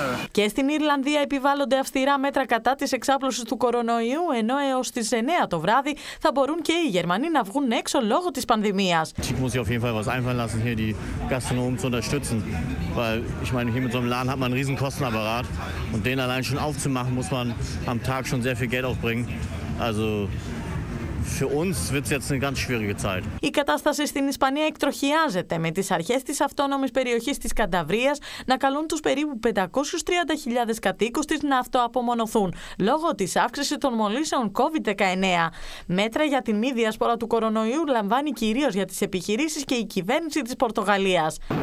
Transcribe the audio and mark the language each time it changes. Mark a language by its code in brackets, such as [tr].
[el] Και στην Ιρλανδία επιβάλλονται αυστηρά μέτρα κατά της εξάπλωσης του κορονοϊού, ενώ έως τις 9 το βράδυ θα μπορούν και οι Γερμανοί να βγουν έξω λόγω της πανδημίας. [de] Ich muss auf jeden Fall was einfallen lassen, hier die Gastronomen zu unterstützen, weil ich meine, hier mit so einem Laden hat man einen riesen Kostenapparat und den allein schon aufzumachen, muss man am Tag schon sehr viel Geld aufbringen. Also für uns wird's jetzt eine ganz schwierige Zeit. [el] Η κατάσταση στην Ισπανία εκτροχιάζεται, με τις αρχές της αυτόνομης περιοχής της Κανταβρίας να καλούν τους περίπου 530.000 κατοίκους της να αυτοαπομονωθούν λόγω της αύξησης των μολύσεων COVID-19. Μέτρα για την μη διασπορά του κορονοϊού λαμβάνει κυρίως για τις επιχειρήσεις και η κυβέρνηση της Πορτογαλίας.